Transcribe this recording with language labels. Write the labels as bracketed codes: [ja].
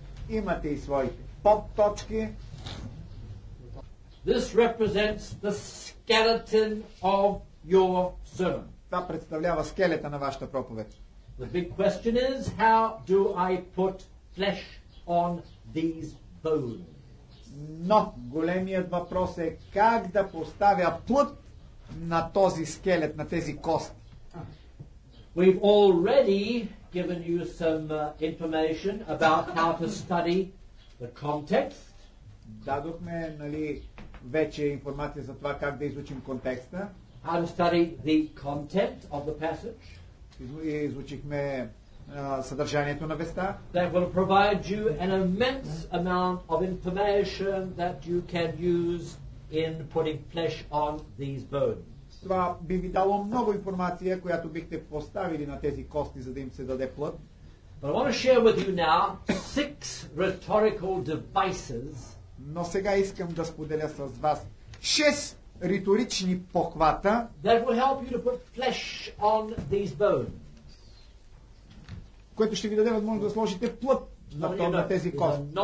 [bg] Имате и своите подточки. [en] This represents the skeleton of your sermon. [bg] Това представлява скелета на вашата проповед. [en] The big question is, how do I put flesh on these bones? [bg] Но големият въпрос е как да поставя плът на този скелет, на тези кости. [en] We've already given you some information about how to study the context. [bg] Дадохме, нали, вече информация за това как да изучим контекста. [en] How to study the content of the passage. [bg] Изучихме съдържанието на веста. [en] That will provide you an immense amount of information that you can use in putting flesh on these bones. [bg] Това би ви дало много информация, която бихте поставили на тези кости, за да им се даде плът. [en] But I want to share with you now six rhetorical devices. [bg] Но сега искам да споделя с вас шест риторични похвата, [en] that will help you to put flesh on these bones. [bg] което ще ви даде възможност да сложите плът на този тези кост.